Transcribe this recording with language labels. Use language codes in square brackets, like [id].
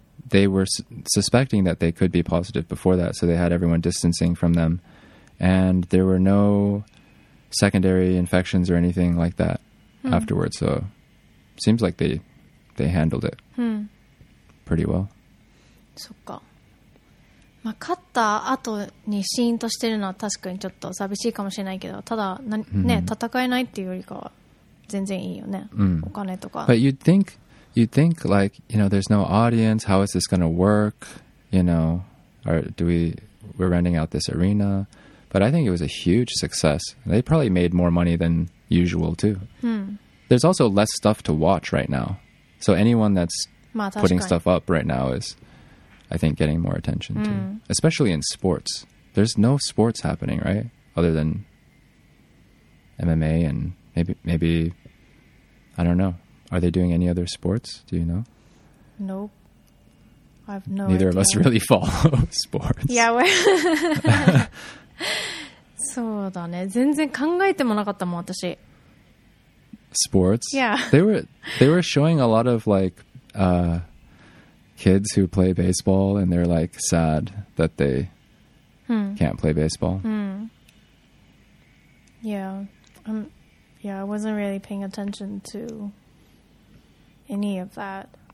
[en] They were suspecting that they could be positive before that, so they had everyone distancing from them. And there were no secondary infections or anything like that afterwards. So seems like they handled it pretty well. [ja] そっか。まあ、勝った後にシーンとしてるのは確かにちょっと寂しいかもしれないけど、ただ、ね、戦えないっていうよりかは全然いいよね。お金とか。 [en] But you'd think like, you know, there's no audience. How is this going to work? You know, or we're renting out this arena. But I think it was a huge success. They probably made more money than usual too. There's also less stuff to watch right now. So anyone that's putting stuff up right now is, I think, getting more attention too. Especially in sports. There's no sports happening, right? Other than MMA and maybe, I don't know. Are they doing any other sports? Do you know? Nope. I have no Neither Of us really follow sports. Yeah, we're... [ja] そうだね。全然考えてもなかったもん、私。 [en] Sports? Yeah. They were showing a lot of, like, kids who play baseball, and they're, like, sad that they can't play baseball. Yeah, I wasn't really paying attention to any of that.